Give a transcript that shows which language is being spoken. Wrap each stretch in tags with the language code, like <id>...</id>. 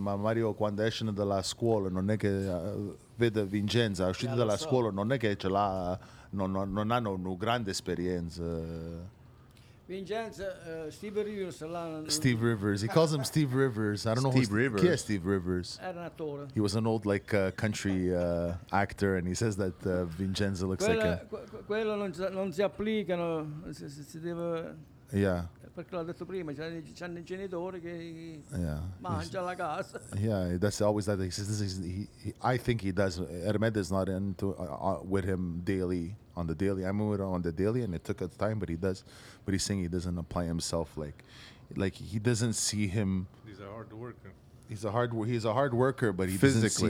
<it>Ma Mario, quando esce dalla scuola, non è che vede Vincenzo. Uscito dalla scuola, non è che ce l'ha. Non hanno una grande esperienza. Vincenzo, Steve Rivers. Steve Rivers.</it> <en>He calls him Steve Rivers. I don't know Steve Rivers.</en> <it>Chi è Steve Rivers? Era un attore.</it> <en>He was an old like country actor, and he says that Vincenzo looks</en> <it>quello,</it> <en>like a.</en> <it>Quello non si applicano. Si deve.</it> <en>Yeah.</en> <it>Perché l'ho detto prima, c'hanno i genitori che mangia la casa.</it> <en>Yeah, that's always that. I think he does. Hermed is not into with him daily. On the daily, I'm with him on the daily, and it took a time, but he does. But he's saying he doesn't apply himself like he doesn't see him. He's a hard worker. He's a hard worker, but he physically.</en>